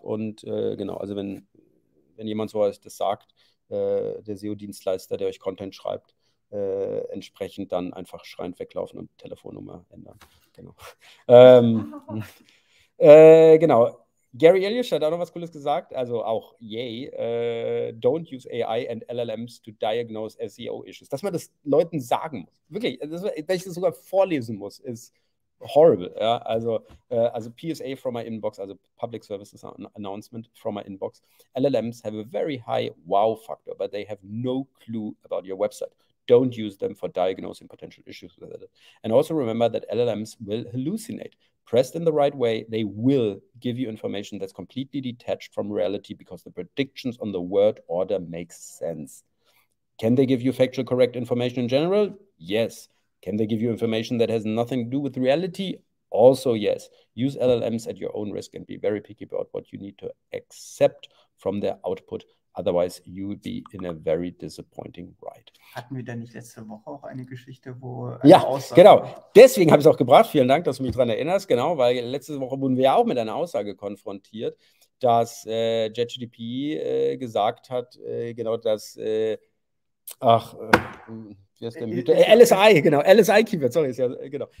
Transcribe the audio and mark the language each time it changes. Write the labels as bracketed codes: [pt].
[de] Und genau, also wenn jemand sowas das sagt, der SEO-Dienstleister, der euch Content schreibt, entsprechend dann einfach schreiend weglaufen und Telefonnummer ändern. Genau. genau. Gary Ilyich hat auch noch was Cooles gesagt, also auch yay. [en] Don't use AI and LLMs to diagnose SEO issues. [de] Dass man das Leuten sagen muss. Wirklich, das, wenn ich das sogar vorlesen muss, ist [en] horrible. [de] Ja? Also [en] PSA from my inbox, also Public Services Announcement from my inbox. LLMs have a very high wow factor, but they have no clue about your website. Don't use them for diagnosing potential issues with it. And also remember that LLMs will hallucinate. Pressed in the right way, they will give you information that's completely detached from reality because the predictions on the word order make sense. Can they give you factual correct information in general? Yes. Can they give you information that has nothing to do with reality? Also yes. Use LLMs at your own risk and be very picky about what you need to accept from their output. Otherwise, you would be in a very disappointing ride. [de] Hatten wir denn nicht letzte Woche auch eine Geschichte, wo ja, Aussage, genau. Deswegen habe ich es auch gebracht. Vielen Dank, dass du mich daran erinnerst. Genau, weil letzte Woche wurden wir ja auch mit einer Aussage konfrontiert, dass JetGDP gesagt hat, genau, dass LSI, genau, LSI Keywords, sorry, ist ja, genau.